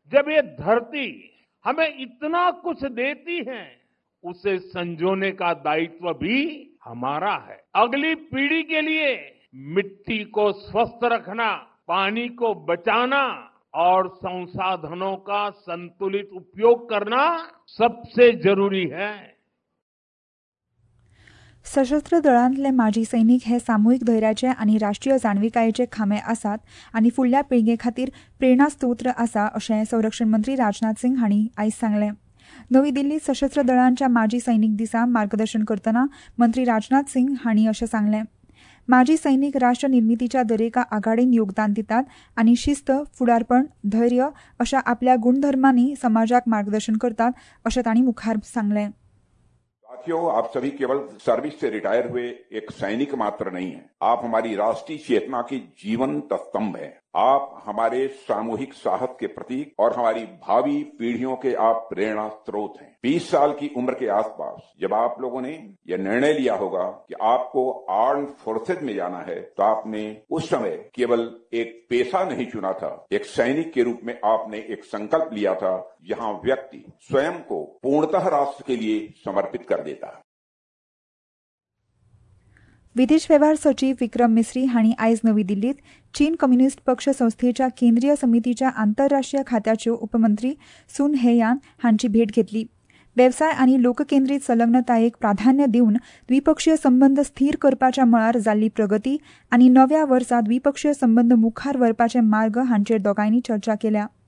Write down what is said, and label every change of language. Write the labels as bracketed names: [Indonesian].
[Hindi] जब ये धरती हमें इतना कुछ देती है उसे संजोने का दायित्व भी हमारा है. अगली पीढ़ी के लिए मिट्टी को स्वस्थ रखना, पानी को बचाना और संसाधनों का संतुलित उपयोग करना सबसे जरूरी है. [Goan Konkani] सशस्त्र दळांतले माजी सैनिक हे सामूहिक धैर्याचे आणि राष्ट्रीय जाणविकायेचे खांबे असतात आणि फुडल्या पिळगे खातीर प्रेरणास्त्रोत्र असा असे संरक्षण मंत्री राजनाथ सिंग हांणी आयज सांगले. नवी दिल्ली सशस्त्र दळांच्या माजी सैनिक दिसा मार्गदर्शन करतना मंत्री राजनाथ सिंग हांणी असे सांगले. माजी सैनिक राष्ट्र निर्मितीच्या दरेका आघाडीन योगदान दितात आणि शिस्त, फुडारपण, धैर्य अशा आपल्या गुणधर्मांनी समाजाक मार्गदर्शन करतात असे ताणी मुखार सांगले. [Hindi] आप सभी केवल सर्विस से रिटायर हुए एक सैनिक मात्र नहीं है. आप हमारी राष्ट्रीय चेतना के जीवंत स्तंभ है. आप हमारे सामूहिक साहस के प्रतीक और हमारी भावी पीढ़ियों के आप प्रेरणा स्रोत हैं. 20 साल की उम्र के आसपास जब आप लोगों ने यह निर्णय लिया होगा कि आपको आर्म्ड फोर्सेज में जाना है तो आपने उस समय केवल एक पेशा नहीं चुना था, एक सैनिक के रूप में आपने एक संकल्प लिया था. यहां व्यक्ति स्वयं को पूर्णतः राष्ट्र के लिए समर्पित कर देता है. [Goan Konkani] विदेश व्यवहार सचिव विक्रम मिस्री हांणी आयज नवी दिल्लीत चीन कम्युनिस्ट पक्ष संस्थेच्या केंद्रीय समितीच्या आंतरराष्ट्रीय खात्याच्यो उपमंत्री सुन हेयान हांची भेट घेतली. वेवसाय आणि लोककेंद्रीत संलग्नतायेक प्राधान्य देऊन द्विपक्षीय संबंध स्थिर करपाच्या मळार जाल्ली प्रगती आणि नव्या वर्सा द्विपक्षीय संबंध मुखार व्हरपाचे मार्ग हांचेर दोगांनी चर्चा केल्या.